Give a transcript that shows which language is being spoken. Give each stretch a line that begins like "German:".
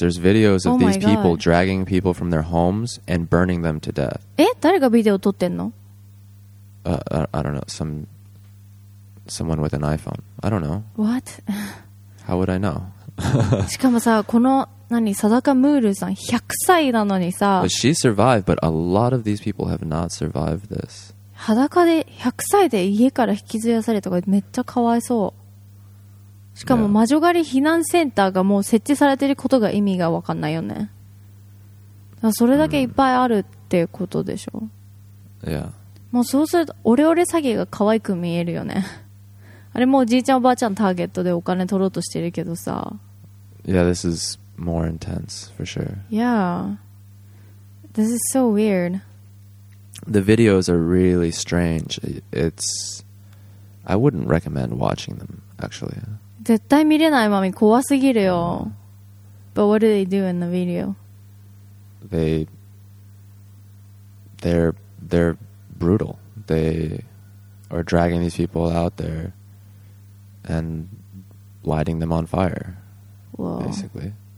English: There's videos of these people dragging people from their homes and burning them to death.
Japanese: え、誰がビデオ撮ってんの？
English: I don't know. Someone with an iPhone. I don't know. What? How would I know?
Japanese: しかもさ、この何、サダカムールさん100歳なのにさ。
English: But she survived, but a lot of these people have not survived this.
Japanese: 裸で100歳で家から引きずり出されたとか、めっちゃかわいそう。しかも魔女狩り避難センターがもう設置されてることが意味が分かんないよね。それだけいっぱいあるってことでしょ。
English: Yeah.
Japanese: もうそうするとオレオレ詐欺が可愛く見えるよね。あれもうじいちゃんおばあちゃんターゲットでお金取ろうとしてるけどさ。
English: Yeah, this is more intense for sure. Yeah. This is so weird. The videos are really strange. It's... I wouldn't recommend watching them, actually.
Japanese: 絶対見れないマミ、怖すぎるよ。
English: But what do they do in the video? They're brutal. They are dragging these people out there and lighting them on fire. Whoa. Basically.